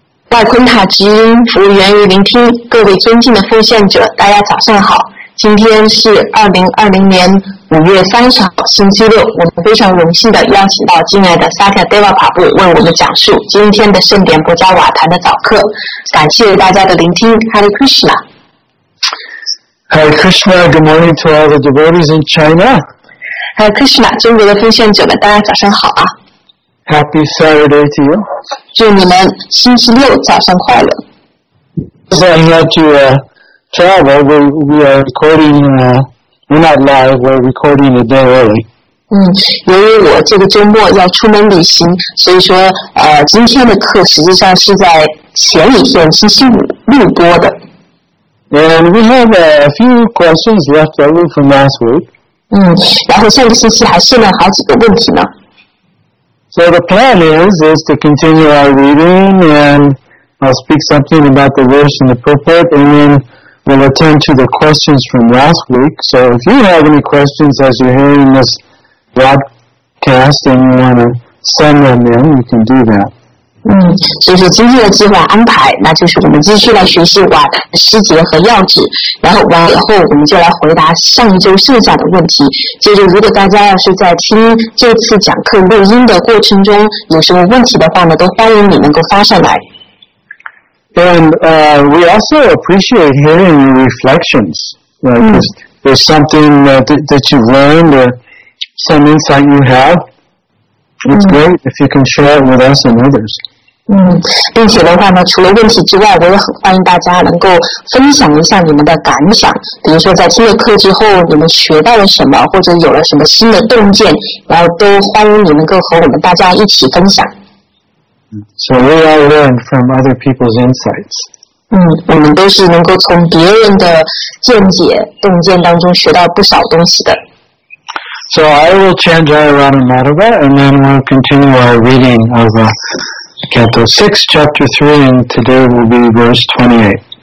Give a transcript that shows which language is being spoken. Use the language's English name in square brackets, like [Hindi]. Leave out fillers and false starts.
[Chinese] 外昆塔直音服务员与聆听，各位尊敬的奉献者，大家早上好。今天是2020年5月30号，星期六。我们非常荣幸的邀请到敬爱的萨提亚德瓦帕布为我们讲述今天的圣典博加瓦坛的早课。感谢大家的聆听 ，Hare Krishna。 [English] Hare Krishna, good morning to all the devotees in China. [Chinese] Hare Krishna, 中国的奉献者们，大家早上好啊。 [English] Happy Saturday to you. [Chinese] 祝你们星期六早上快乐。 [English] So I'm not to travel. We are recording. We're not live. We're recording a day early. [Chinese] 由于我这个周末要出门旅行，所以说今天的课实际上是在前一天星期五录播的。 [English] And we have a few questions left over from last week. [Chinese] 然后上个星期还剩了好几个问题呢。 [English] So the plan is to continue our reading, and I'll speak something about the verse in the purport, and then we'll attend to the questions from last week. So if you have any questions as you're hearing this broadcast and you want to send them in, you can do that. [Chinese] 所以说今天的计划安排，那就是我们继续来学习瓦坛的师节和要旨，然后完以后我们就来回答上一周剩下的问题。接着，如果大家要是在听这次讲课录音的过程中有什么问题的话呢，都欢迎你能够发上来。 [English] And we also appreciate hearing your reflections. If there's something that you've learned or some insight you have. It's great if you can share it with us and others. [Chinese] 并且的话呢，除了问题之外，我也很欢迎大家能够分享一下你们的感想。比如说，在听了课之后，你们学到了什么，或者有了什么新的洞见，然后都欢迎你能够和我们大家一起分享。 [English] So we all learn from other people's insights. [Chinese] 我们都是能够从别人的见解、洞见当中学到不少东西的。 [English] So I will chant Jayarana Madhava and then we'll continue our reading of Canto 6, Chapter 3, and today will be verse 28.